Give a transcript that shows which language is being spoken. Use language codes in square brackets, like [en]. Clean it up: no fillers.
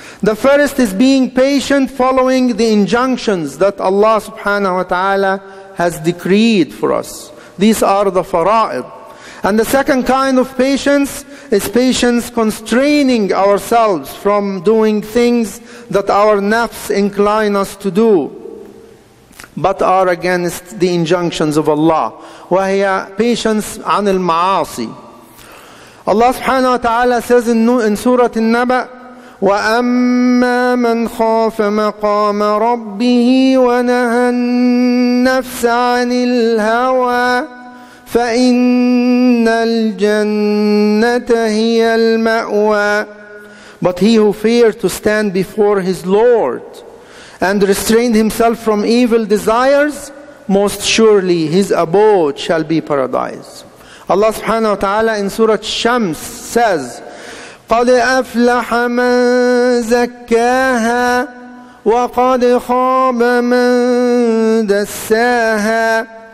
[en] The first is being patient following the injunctions that Allah subhanahu wa ta'ala has decreed for us. These are the fara'id. And the second kind of patience is patience constraining ourselves from doing things that our nafs incline us to do, but are against the injunctions of Allah. [ar] وَهِيَ [en] patience [ar] عَنِ الْمَعَاصِ. [en] Allah subhanahu wa ta'ala says in Surah An-Naba, [ar] وَأَمَّا مَنْ خَافَ مَقَامَ رَبِّهِ وَنَهَى النَّفْسَ عَنِ الْهَوَى فَإِنَّ الْجَنَّةَ هِيَ الْمَأْوَى. [en] But he who feared to stand before his Lord and restrained himself from evil desires, most surely his abode shall be paradise. Allah subhanahu wa ta'ala in Surah Shams says, [ar] قَدْ أَفْلَحَ مَنْ زَكَّاهَا وَقَدْ خَابَ مَنْ دَسَّاهَا.